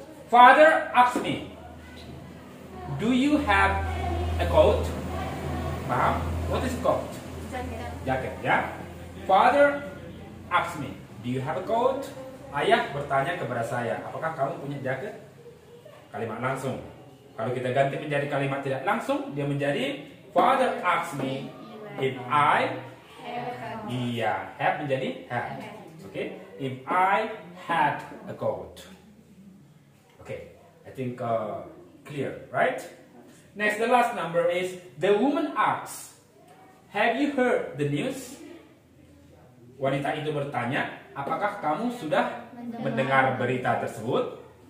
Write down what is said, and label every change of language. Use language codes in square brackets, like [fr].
[en] Father asked me, do you have a coat? Paham? What is a coat? Jacket. Jacket, yeah? Father asked me, do you have a coat? [id] Ayah bertanya kepada saya, apakah kamu punya jaket? Kalimat langsung. Kalau kita ganti menjadi kalimat tidak langsung, dia menjadi [en] Father asked me if I have a coat. Iya, have menjadi had. Okay? If I had a coat. Okay, I think clear, right? Next, the last number is the woman asks, have you heard the news? [id] Wanita itu bertanya, apakah kamu sudah mendengar berita tersebut?